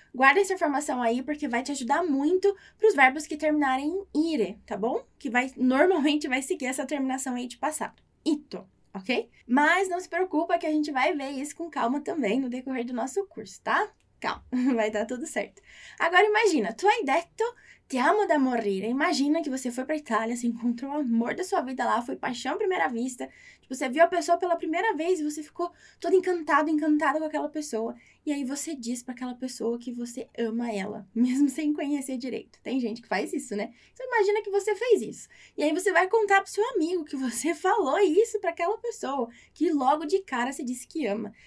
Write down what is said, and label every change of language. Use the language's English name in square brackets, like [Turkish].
[Portuguese] Guarda essa informação aí porque vai te ajudar muito para os verbos que terminarem em ire, tá bom? Que vai normalmente vai seguir essa terminação aí de passado. Ito, ok? Mas não se preocupa que a gente vai ver isso com calma também no decorrer do nosso curso, tá? Calma, vai dar tudo certo. Agora imagina, [Italian] tu hai detto ti amo da morire. [Portuguese] Imagina que você foi para Itália, se encontrou o amor da sua vida lá, foi paixão à primeira vista. Tipo, você viu a pessoa pela primeira vez e você ficou todo encantado, encantada com aquela pessoa. E aí você diz para aquela pessoa que você ama ela, mesmo sem conhecer direito. Tem gente que faz isso, né? Então imagina que você fez isso. E aí você vai contar pro seu amigo que você falou isso para aquela pessoa, que logo de cara você disse que ama.